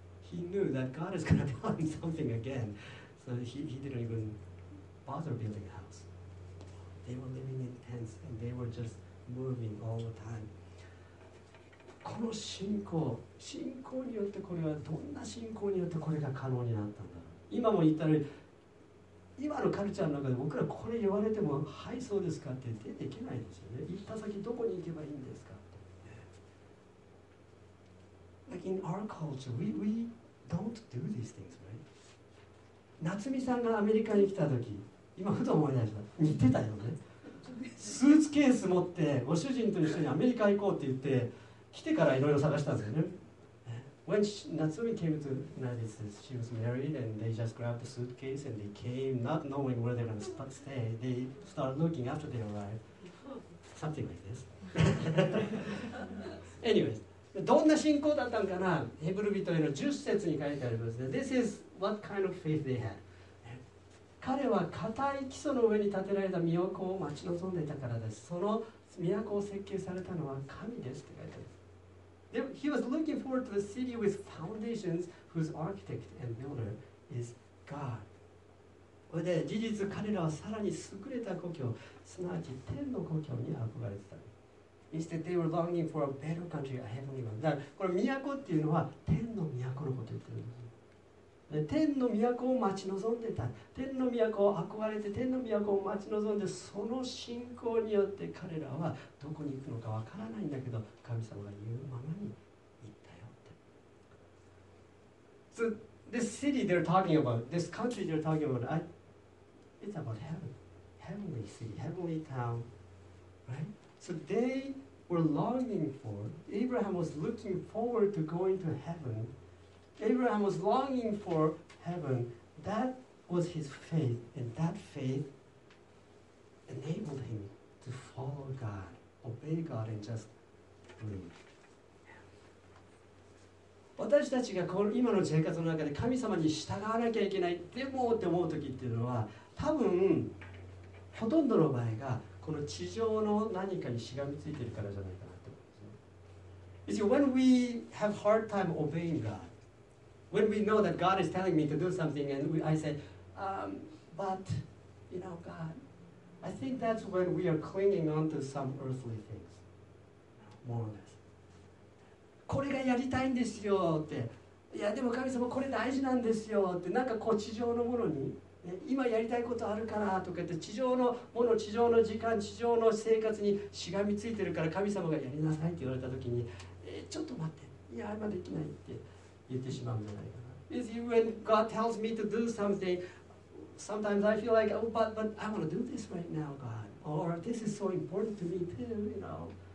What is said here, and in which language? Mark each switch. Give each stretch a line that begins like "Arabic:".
English: he knew that God is going to build something again. So he didn't even bother building a house. They were living in tents and they were just moving all the time.
Japanese: この信仰、信仰によってこれはどんな信仰によってこれが可能になったんだろう。今も言ったら、今のカルチャーの中で僕らこれ言われてもはいそうですかって出てきないですよね。行った先どこに行けばいいんですかって。
English: Like in our culture, we don't do these things, right?
Japanese: 夏美さんがアメリカに来た時、今ふと思い出した。似てたよね。スーツケース持ってご主人と一緒にアメリカ行こうって言って、来てからいろいろ探したんですよね。
English: When Natsumi came to United States, she was married and they just grabbed the suitcase and they came not knowing where they're going to stay. They started looking after they arrived. Something like this.
Japanese: Anyways, どんな信仰だったのかな？ヘブル人への10節に書いてありますね。
English: This is what kind of faith they had.
Japanese: 彼は固い基礎の上に建てられた都を待ち望んでいたからです。その都を設計されたのは神ですって書いてあります。
English: He was looking forward to the city with foundations whose architect and builder is God.
Japanese: それで事実彼らはさらに優れた故郷、すなわち天の故郷に憧れてた。
English: Instead, they were longing for a better country, a heavenly one.
Japanese: だからこれ都っていうのは天の都のことを言ってるんです。で天の都を待ち望んでた。天の都を憧れて天の都を待ち望んで、その信仰によって彼らはどこに行くのかわからないんだけど、神様が言うままに行ったよって。
English: So this city they're talking about, this country they're talking about, it's about heaven, heavenly city, heavenly town, right? So they were longing for, Abraham was looking forward to going to heaven. Abraham was longing for heaven. That was his faith, and that faith enabled him to follow God, obey God, and just believe.
Japanese: 私たちがこの今の生活の中で神様に従わなきゃいけないでもって思う時っていうのは、多分ほとんどの場合がこの地上の何かにしがみついてるからじゃないかなと思うんですよ。
English: When we have hard time obeying God,When we know that God is telling me to do something and I say, but, you know, God, I think that's when we are clinging on to some earthly things, more or less.
Japanese: これがやりたいんですよって、いやでも神様これ大事なんですよって、なんかこう地上のものに、ね、今やりたいことあるからとか言って、地上のもの、地上の時間、地上の生活にしがみついてるから神様がやりなさいって言われたときに、ちょっと待って、いや今できないって。言ってしまうんじゃないかな。
English: Is you when God tells me to do something, sometimes I feel like, oh, but I want to do this right now, God. Or this is so important to me too, you know.